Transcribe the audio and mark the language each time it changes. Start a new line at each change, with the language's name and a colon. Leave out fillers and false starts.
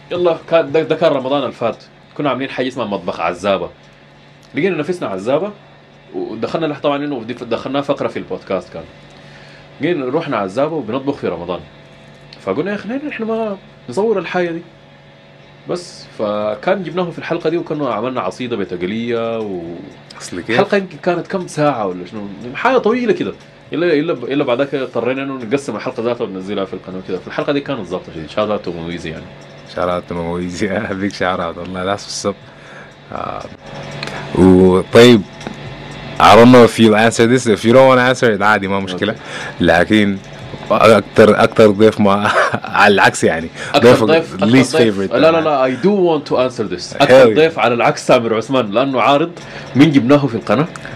Arabic: يلا ده كان رمضان الفات كنا عاملين حاجة اسمها مطبخ عزابة لقينا نفسنا عزابة ودخلنا له طبعا انه دخلناه فقرة في البودكاست كان قلنا رحنا عزابة وبنطبخ في رمضان فقلنا يا اخي احنا ما نصور الحاجة دي بس فكان جبناه في الحلقة دي وكنا عملنا عصيدة بتقلية و اصل كيف حلقة كانت كم ساعة ولا شنو حاجة طويلة كده الا الا الا بعد كده اضطرينا انه نقسم الحلقه ذاتها وننزلها في القناه كده. في الحلقه دي كانت ظابطه شديد. شارات مميزه يعني. شارات مميزه هذيك شارات والله لا تصب. وطيب
English: I don't know if you'll answer this. If you don't want to answer it,
Arabic: عادي ما مشكله. لكن اكثر ضيف ما على العكس يعني ضيف
English: least favorite.
Arabic: لا لا لا
English: I do want to answer this.
Arabic: اكثر ضيف على العكس سامر عثمان لانه عارض من جبناه في القناه.